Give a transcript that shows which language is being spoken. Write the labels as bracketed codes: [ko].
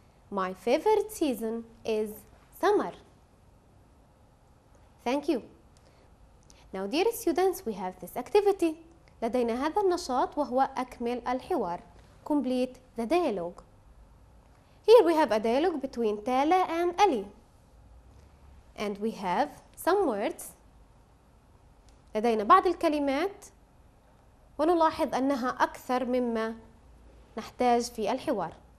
[en] My favorite season is summer. Thank you. Now dear students, we have this activity. [ar] لدينا هذا النشاط وهو أكمل الحوار. [en] Complete the dialogue. Here we have a dialogue between Tala and Ali. And we have some words. [ar] لدينا بعض الكلمات ونلاحظ أنها أكثر مما نحتاج في الحوار.